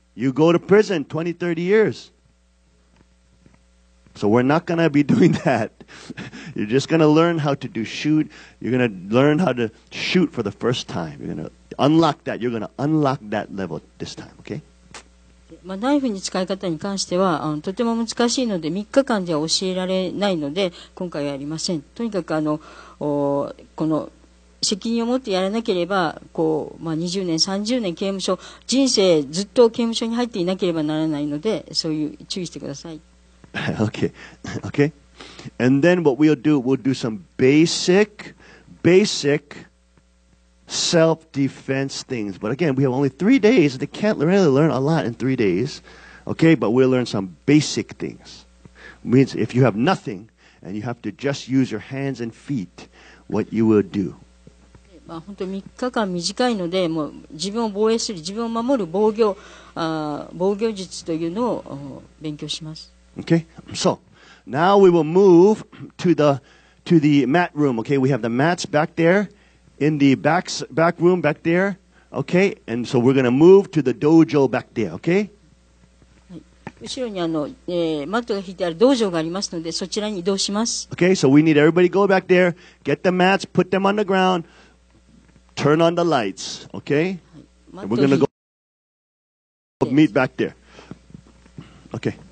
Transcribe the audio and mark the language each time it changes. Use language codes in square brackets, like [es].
[en] You go to prison 20, 30 years. So we're not going to be doing that. You're just going to learn how to do shoot. You're going to learn how to shoot for the first time. You're going to unlock that. You're going to unlock that level this time, okay? [ja] まあ、ナイフに使い方に関してはとても難しいので3日間では教えられないので今回はやりません。とにかくこの責任を持ってやらなければこう、まあ、20年、30年刑務所、人生ずっと刑務所に入っていなければならないのでそういう注意してください。 [en] okay, okay? And then what we'll do, we'll do some basic self-defense things. But again, we have only 3 days. They can't really learn a lot in 3 days. Okay, but we'll learn some basic things. Means if you have nothing and you have to just use your hands and feet, what you will do. [ja] まあ、本当に3日間短いので、もう自分を防衛する、自分を守る防御術というのを勉強します。 [en] Okay, so. Now we will move to the mat room. Okay, we have the mats back there in the back room back there. Okay, and so we're going to move to the dojo back there. Okay. [ja] 後ろにマットが敷いてある道場がありますのでそちらに移動します。 [en] Okay, so we need everybody go back there, get the mats, put them on the ground, turn on the lights. Okay. And we're going to go meet back there. Okay.